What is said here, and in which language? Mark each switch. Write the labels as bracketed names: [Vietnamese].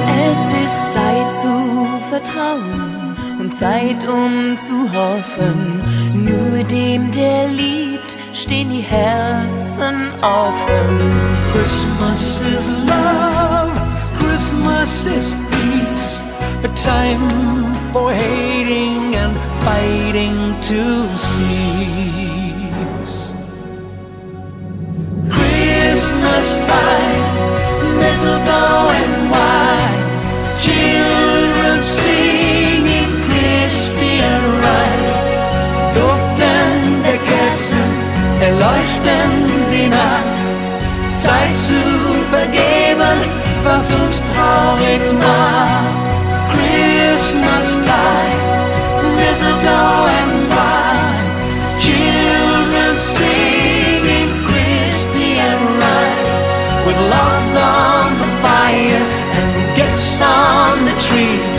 [German] Es ist Zeit zu vertrauen, Zeit um zu hoffen. Nur dem, der liebt, stehen die Herzen offen. [English] Christmas is love, Christmas is peace. A time for hating and fighting to cease. Christmas time, mistletoe and wine. Children singing Christian Rhyme. [German] Duftende Kerzen erleuchten die Nacht. Zeit zu vergeben, was uns traurig macht. [English] Christmas time, mistletoe and wine. Children singing Christian Rhyme. With logs on the fire and gifts on the tree.